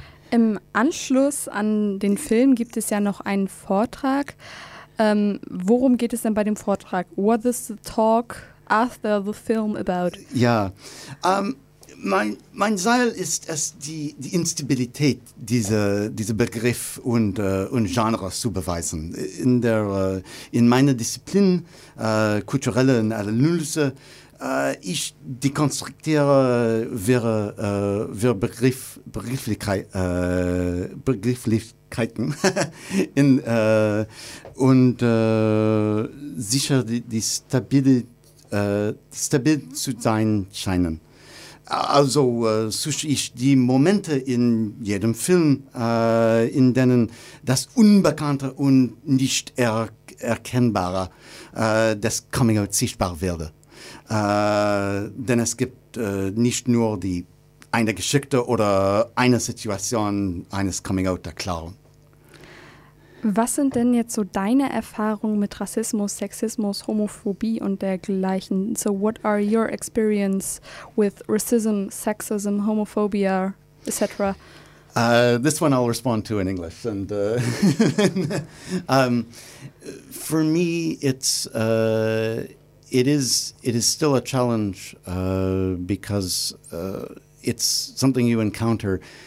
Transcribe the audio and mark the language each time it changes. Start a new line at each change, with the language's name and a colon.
German: Im Anschluss an den Film gibt es ja noch einen Vortrag. Worum geht es denn bei dem Vortrag?
English: What is the talk after the film about?
German: Ja, mein Seil ist es, die Instabilität dieser Begriff und Genres zu beweisen. In meiner Disziplin, kulturelle Analyse, ich dekonstruiere Begrifflichkeiten sicher die stabil zu sein scheinen. Also suche ich die Momente in jedem Film, in denen das Unbekannte und nicht erkennbare, das Coming Out sichtbar werde. Denn es gibt nicht nur die eine Geschichte oder eine Situation eines Coming Out der Clown. Was sind denn jetzt so deine Erfahrungen mit Rassismus, Sexismus, Homophobie und dergleichen?
English: So what are your experience with racism, sexism, homophobia, etc.? This one I'll respond to in English. And for me, it is still a challenge because it's something you encounter.